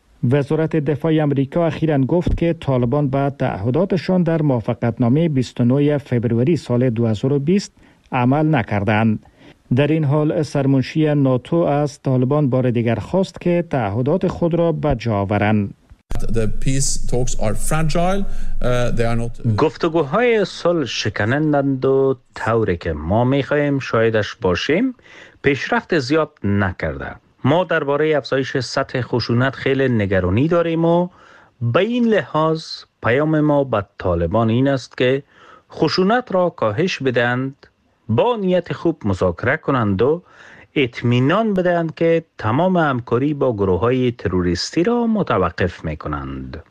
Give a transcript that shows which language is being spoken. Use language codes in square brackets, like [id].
[fa] وزارت دفاع امریکا اخیراً گفت که طالبان به تعهداتشان در موافقتنامه 29 فوریه سال 2020 عمل نکردند. در این حال سرمنشی ناتو از طالبان بار دیگر خواست که تعهدات خود را به جا آورند. [en] The peace talks are fragile. [fa] گفتگوهای صلح شکنندند و طوری که ما می‌خواهیم شاهدش باشیم پیشرفت زیاد نکرده. ما درباره افزایش سطح خشونت خیلی نگرانی داریم و به این لحاظ پیام ما به طالبان این است که خشونت را کاهش بدهند، با نیت خوب مذاکره کنند و اطمینان بدهند که تمام همکاری با گروه‌های تروریستی را متوقف می‌کنند.